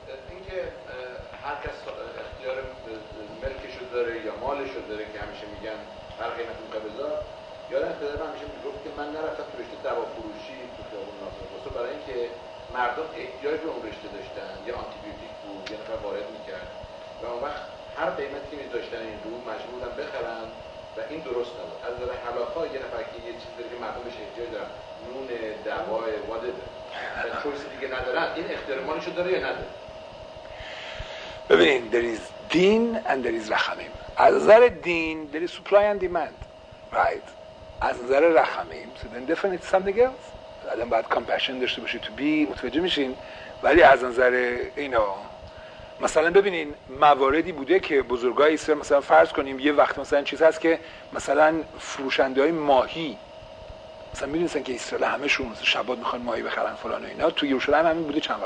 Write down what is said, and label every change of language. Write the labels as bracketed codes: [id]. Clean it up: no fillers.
[fa] اینکه هر کس اختیار ملکشو داره یا مالشو داره که همیشه میگن هر قیمت اون قبضا، یادم خدا من همیشه میگفت که من نرفتم تو رشته دوا فروشی تو خیابون ناصر واسه برای اینکه مردم احتیاج به اون رشته داشتن، یا آنتی بیوتیک بود یا نفر وارد میکرد و اون وقت هر قیمتی که میذاشتن این رو مجبورن بخرن و این درست نبود. از نظر حلاقا یه نفر که یه چیز داره که مردم بهش احتیاج دارن، نون، دوا، واده و چویز دیگه ندارن، این اختیار مالشو داره یا نداره؟ ببینید [en] there is دین and there is رحمیم. [fa] از نظر [en] دین there is supply and demand. right? [fa] از نظر [en] رحمیم so then definitely something else. [fa] آدم باید compassion داشته باشه [en] to be [fa] متوجه میشین. ولی از نظر اینا مثلا ببینین مواردی بوده که بزرگای اسرائیل مثلا فرض کنیم یه وقت مثلا چیز هست که مثلا فروشنده های ماهی مثلا میدونستن که اسرائیل همه شون مثلا شبات میخوان ماهی بخرن فلان و اینا تو یروشلایم همین بوده